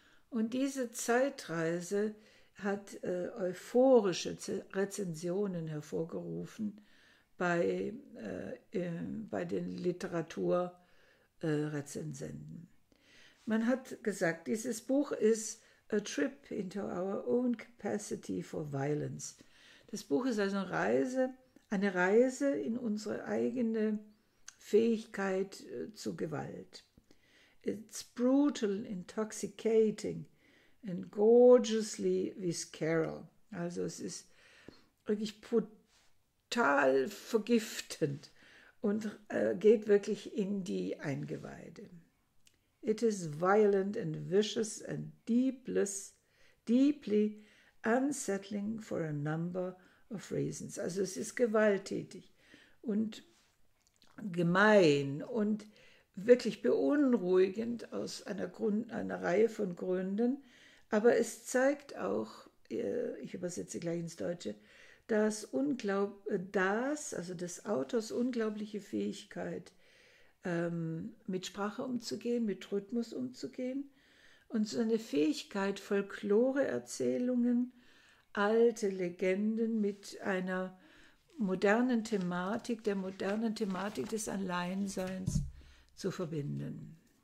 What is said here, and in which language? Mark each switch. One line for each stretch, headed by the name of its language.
German: Und diese Zeitreise hat euphorische Rezensionen hervorgerufen bei den Literaturrezensenten. Man hat gesagt, dieses Buch ist
English: A Trip into Our Own Capacity for Violence.
German: Das Buch ist also eine Reise in unsere eigene Fähigkeit zu Gewalt.
English: It's brutal, intoxicating and gorgeously visceral.
German: Also es ist wirklich brutal vergiftend und geht wirklich in die Eingeweide.
English: It is violent and vicious and deeply unsettling for a number of reasons.
German: Also es ist gewalttätig und gemein und wirklich beunruhigend aus einer Reihe von Gründen. Aber es zeigt auch, ich übersetze gleich ins Deutsche, also des Autors unglaubliche Fähigkeit, mit Sprache umzugehen, mit Rhythmus umzugehen und so eine Fähigkeit, Folklore-Erzählungen, alte Legenden mit einer modernen Thematik, der modernen Thematik des Alleinseins zu verbinden.